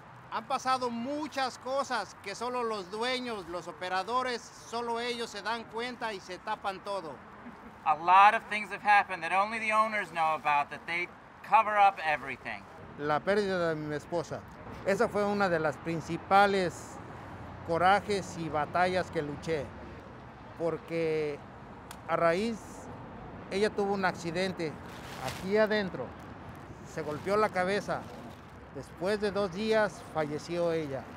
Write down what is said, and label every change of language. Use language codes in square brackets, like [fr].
[es] Han pasado muchas cosas que solo los dueños, los operadores, solo ellos se dan cuenta y se tapan todo. [en] A lot of things have happened that only the owners know about, that they cover up everything. [es] La pérdida de mi esposa. Esa fue una de las principales corajes y batallas que luché. Porque a raíz, ella tuvo un accidente aquí adentro. Se golpeó la cabeza. Después de 2 días, falleció ella.